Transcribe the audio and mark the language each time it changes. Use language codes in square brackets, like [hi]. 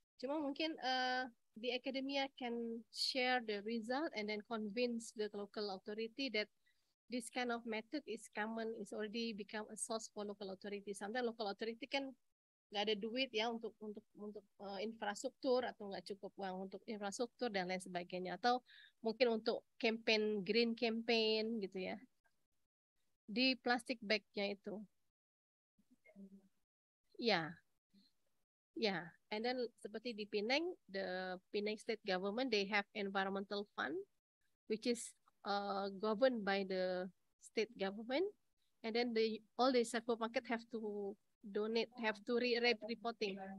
[id] Cuma mungkin [en] the academia can share the result and then convince the local authority that this kind of method is common, is already become a source for local authority. [id] Sometimes local authority kan nggak ada duit ya untuk infrastruktur, atau nggak cukup uang untuk infrastruktur dan lain sebagainya, atau mungkin untuk campaign green campaign gitu ya di plastic bag-nya itu. [en] Yeah. And then [id] seperti di Penang, [en] the Penang State Government, they have environmental fund, which is governed by the state government. And then all the supermarket have to donate, have to reporting.